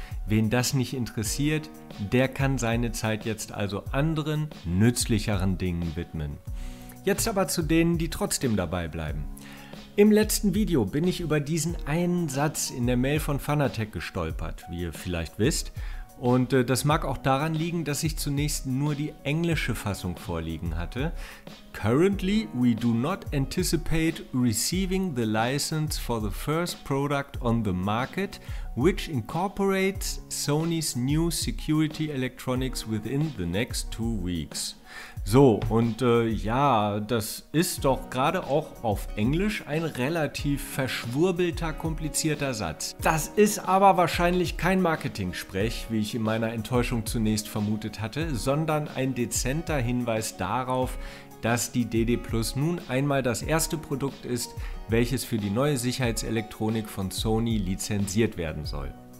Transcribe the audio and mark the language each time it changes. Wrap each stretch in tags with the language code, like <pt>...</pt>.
<de>Wen das nicht interessiert, der kann seine Zeit jetzt also anderen, nützlicheren Dingen widmen. Jetzt aber zu denen, die trotzdem dabei bleiben. Im letzten Video bin ich über diesen einen Satz in der Mail von Fanatec gestolpert, wie ihr vielleicht wisst. Und das mag auch daran liegen, dass ich zunächst nur die englische Fassung vorliegen hatte.</de> <en>Currently, we do not anticipate receiving the license for the first product on the market, which incorporates Sony's new security electronics within the next 2 weeks.</en> <de>So, und das ist doch gerade auch auf Englisch ein relativ verschwurbelter, komplizierter Satz. Das ist aber wahrscheinlich kein Marketing-Sprech, wie ich in meiner Enttäuschung zunächst vermutet hatte, sondern ein dezenter Hinweis darauf, dass die DD Plus nun einmal das erste Produkt ist, welches für die neue Sicherheitselektronik von Sony lizenziert werden soll.</de>